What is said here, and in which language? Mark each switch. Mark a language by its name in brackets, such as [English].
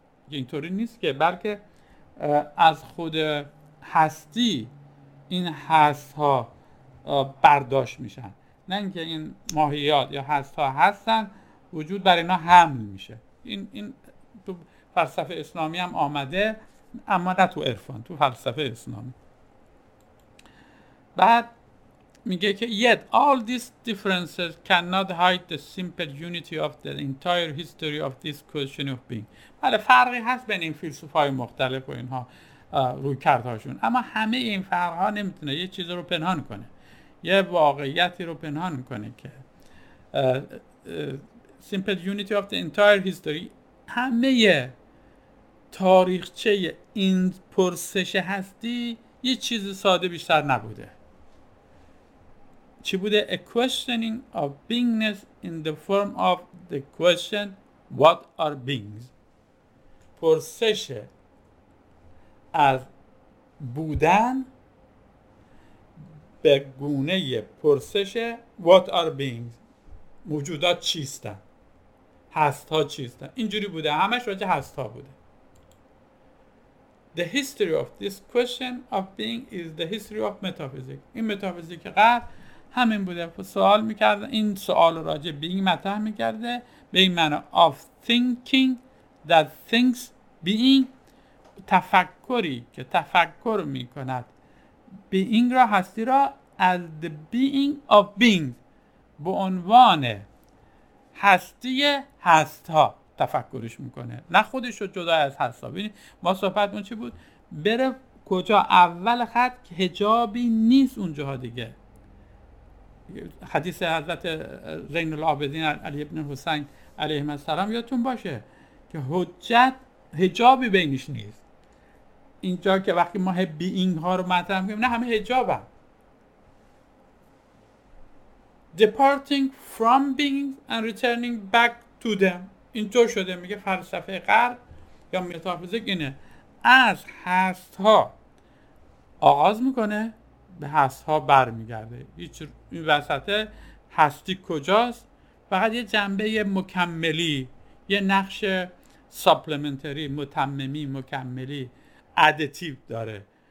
[Persian] اینطوری نیست که، بلکه از خود هستی این هست ها برداشت میشن، نه اینکه این ماهیات یا هست ها هستن وجود بر اینا حمل میشه. این تو فلسفه اسلامی هم آمده، اما نه تو عرفان، تو فلسفه اسلامی. بعد میگه که [English] yet all these differences cannot hide the simple unity of the entire history of this question of being. [Persian] بله، فرقی هست بین این فیلسوفای مختلف و اینها رویکردهاشون، اما همه این فرقها نمیتونه یه چیز رو پنهان کنه، یه واقعیتی رو پنهان کنه که [English] simple unity of the entire history، [Persian] همه تاریخچه این پرسش هستی یه چیز ساده بیشتر نبوده. چی بوده؟ [English] A questioning of beingness in the form of the question what are beings. [Persian] پرسش از بودن به گونه پرسش [English] what are beings، [Persian] موجودات چیستن، هست ها چیستن. اینجوری بوده، همش راجع هست ها بوده. [English] The history of this question of being is the history of metaphysics. [Persian] این متافیزیک غرب همین بوده، سوال میکرده، این سوال راجع به این مطرح میکرده، به این معنی [English] of thinking that thinks being، [Persian] تفکری که تفکر میکند being را، هستی را، [English] as the being of being، [Persian] به عنوان هستی هست ها تفکرش میکنه، نه خودش را جدا از هست ها. ببینید ما صحبت اون چی بود؟ بره کجا؟ اول خط که حجابی نیست اونجا دیگه. حدیث حضرت زین العابدین علی ابن حسین علیه السلام یادتون باشه که حجت حجابی بینش نیست. اینجا که وقتی ما بیینگ ها رو مطرح میکنیم، نه، همه حجاب هم. [English] Departing from being and returning back to them. [Persian] اینطور شده، میگه فلسفه غرب یا متافیزیک اینه، از هست ها آغاز میکنه، به هست ها بر میگرده. این وسط هستی کجاست؟ فقط یه جنبه مکملی، یه نقش سپلمنتری، متممی، مکملی، ادتیو داره.